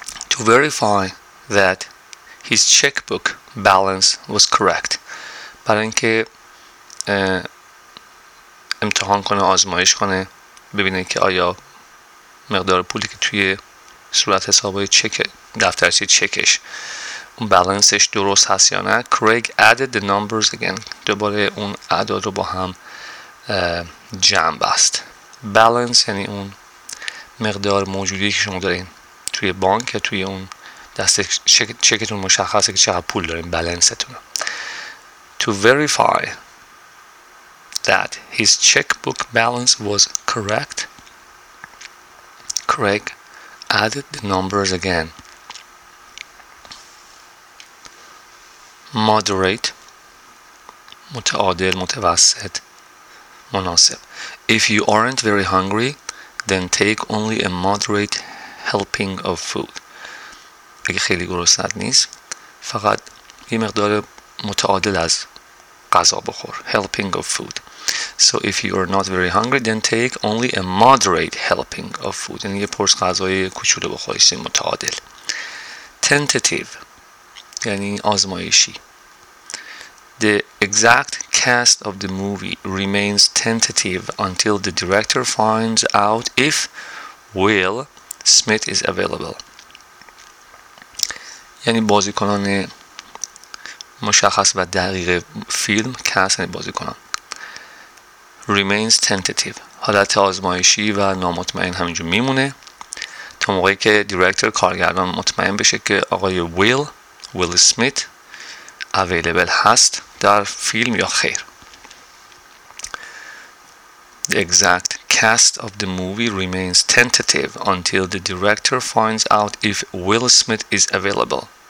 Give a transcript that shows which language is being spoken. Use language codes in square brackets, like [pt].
[en] To verify that his checkbook balance was correct. [fa] برای اینکه امتحان کنه، آزمایش کنه، ببینه که آیا مقدار پولی که توی صورت حسابای چک دفترچه چکش اون بالانسش درست هست یا نه. [en] Craig added the numbers again. [fa] دوباره اون اعداد رو با هم جمع بست. Balance یعنی اون مقدار موجودی که شما دارین توی بانک یا توی اون دست چکتون مشخصه که چقدر پول دارین، بالانستون. [en] To verify that his checkbook balance was correct, Craig added the numbers again. [fa] Moderate. متعادل، متوسط، مناسب. [en] If you aren't very hungry, then take only a moderate helping of food. [fa] اگه خیلی گرسنه نیست، فقط یه مقدار متعادل از غذا بخور. [en] Helping of food. So if you are not very hungry, then take only a moderate helping of food. [fa] یعنی یه پرس غذای کوچولو بخوایش متعادل. Tentative. یعنی آزمایشی. [en] The exact cast of the movie remains tentative until the director finds out if Will Smith is available. [fa] یعنی بازیکنان مشخص و دقیق فیلم، کست یعنی بازیکنان، [en] remains tentative، [fa] حالت آزمایشی و نامطمئن همینجور میمونه تا موقعی که دایرکتور، کارگردان، مطمئن بشه که آقای ویل اسمیت اویلیبل هست در فیلم یا خیر. [en] The exact cast of the movie remains tentative until the director finds out if Will Smith is available.